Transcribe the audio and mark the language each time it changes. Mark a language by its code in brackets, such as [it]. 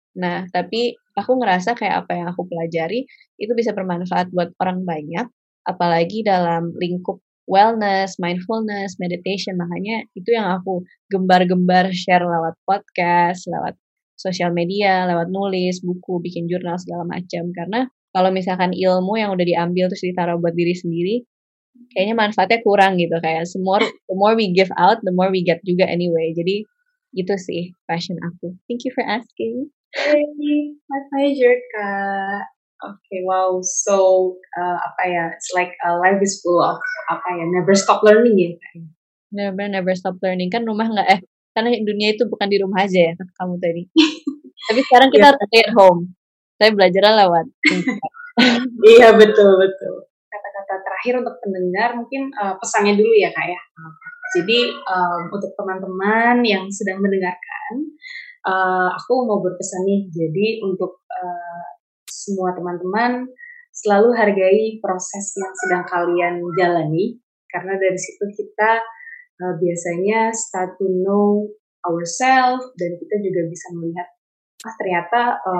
[id] Nah, tapi aku ngerasa kayak apa yang aku pelajari itu bisa bermanfaat buat orang banyak, apalagi dalam lingkup wellness, mindfulness, meditation. Makanya itu yang aku gembar-gembar share lewat podcast, lewat sosial media, lewat nulis, buku, bikin jurnal, segala macam. Karena kalau misalkan ilmu yang udah diambil terus ditaruh buat diri sendiri, kayaknya manfaatnya kurang gitu. [en] Kayak the more we give out, the more we get juga anyway. [id] Jadi itu sih passion aku. [en] Thank you for asking. Hey, my pleasure, Kak. Okay, wow. So, it's like a life is full of never stop learning ya. Never stop learning. [id] Kan rumah nggak karena dunia itu bukan di rumah aja ya, kamu tadi. Tapi sekarang kita [en] stay at home. [id] Saya belajar lewat. Iya, betul. Kata-kata terakhir untuk pendengar, mungkin pesannya dulu ya, Kak, ya. Jadi, untuk teman-teman yang sedang mendengarkan, aku mau berpesan nih, jadi untuk semua teman-teman, selalu hargai proses yang sedang kalian jalani, karena dari situ kita biasanya [en] start to know ourselves, [id] dan kita juga bisa melihat, ternyata